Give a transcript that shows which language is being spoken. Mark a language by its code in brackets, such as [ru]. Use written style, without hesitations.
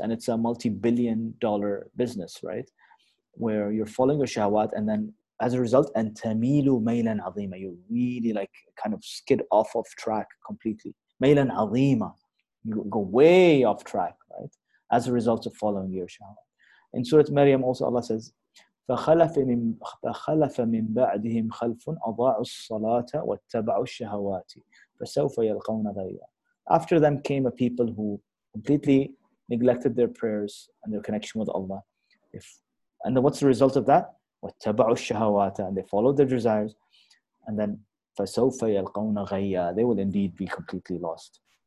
[en] And it's a multi-billion dollar business, right? Where you're following your shahawat, and then as a result, and [ar] tamilu maylan azima, [en] you really like kind of skid off of track completely. [ar] Maylan azima, [en] you go way off track, right? As a result of following your shahawat. [ar] In Surah Maryam also Allah says, فَخَلَفَ مِن بَعْدِهِمْ خَلْفٌ أَضَاعُ الصَّلَاةَ وَاتَّبَعُ الشَّهَوَاتِ فَسَوْفَ يَلْقَوْنَ غَيَّا. [en] After them came a people who completely neglected their prayers and their connection with Allah. And then what's the result of that? [ar] وَاتَّبَعُ الشَّهَوَاتَ, [en] and they followed their desires. And then [ar] فَسَوْفَ يَلْقَوْنَ غَيَّا, [en] they will indeed be completely lost.